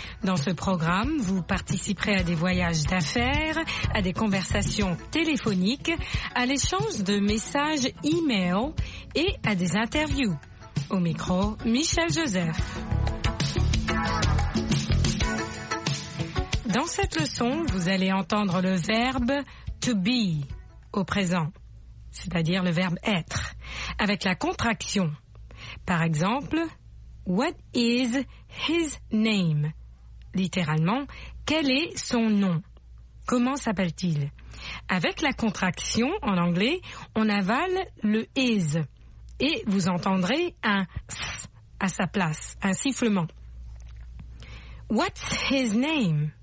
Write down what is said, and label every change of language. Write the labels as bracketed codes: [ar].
[fr] Dans ce programme, vous participerez à des voyages d'affaires, à des conversations téléphoniques, à l'échange de messages e-mail et à des interviews. Au micro, Michel Joseph. Dans cette leçon, vous allez entendre le verbe to be au présent, c'est-à-dire le verbe être, avec la contraction. Par exemple, [en] what is his name? [fr] Littéralement, quel est son nom? Comment s'appelle-t-il? Avec la contraction, en anglais, on avale le is et vous entendrez un s à sa place, un sifflement. [en] What's his name?